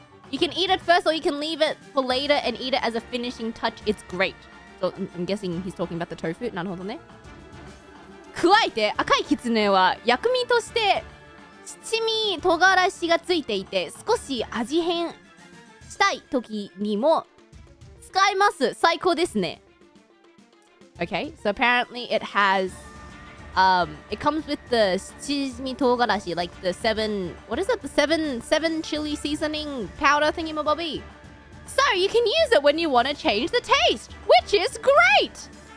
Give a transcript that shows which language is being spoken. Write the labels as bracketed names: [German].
[English] You can eat it first or you can leave it for later and eat it as a finishing touch. It's great. So I'm guessing he's talking about the tofu. [Japanese] なるほどね。加えて、赤いキツネは薬味として七味唐辛子がついていて、少し味変したい時にも使えます。最高ですね。 [English] Okay, so apparently it has, it comes with the shichimi togarashi, like the seven, what is it? The seven chili seasoning powder thingamabobby. So you can use it when you want to change the taste, which is great!